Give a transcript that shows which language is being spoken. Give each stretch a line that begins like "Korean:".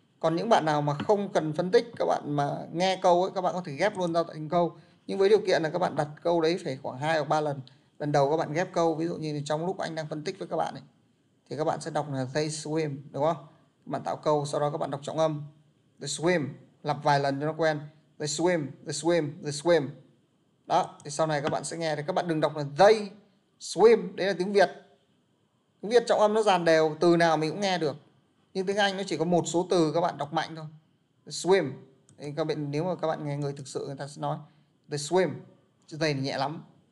Vietnamese: Còn những bạn nào mà không cần phân tích, các bạn mà nghe câu ấy, các bạn có thể ghép luôn ra thành câu. Nhưng với điều kiện là các bạn đặt câu đấy phải khoảng 2 hoặc 3 lần. Lần đầu các bạn ghép câu, ví dụ như trong lúc anh đang phân tích với các bạn ấy, thì các bạn sẽ đọc là
English: they swim,
Vietnamese: đúng không? Các bạn tạo câu, sau đó các bạn đọc trọng âm.
English: They swim,
Vietnamese: lặp vài lần cho nó quen.
English: They swim, they swim, they swim.
Vietnamese: Đó, thì sau này các bạn sẽ nghe, thì các bạn đừng đọc là
English: they swim,
Vietnamese: đấy là tiếng Việt. Tiếng Việt trọng âm nó dàn đều, từ nào mình cũng nghe được. Nhưng tiếng Anh nó chỉ có một số từ các bạn đọc mạnh thôi.
English: The swim.
Vietnamese: Các bạn, nếu mà các bạn nghe người thực sự người ta sẽ nói
English: the swim.
Vietnamese: Chữ dây nhẹ lắm.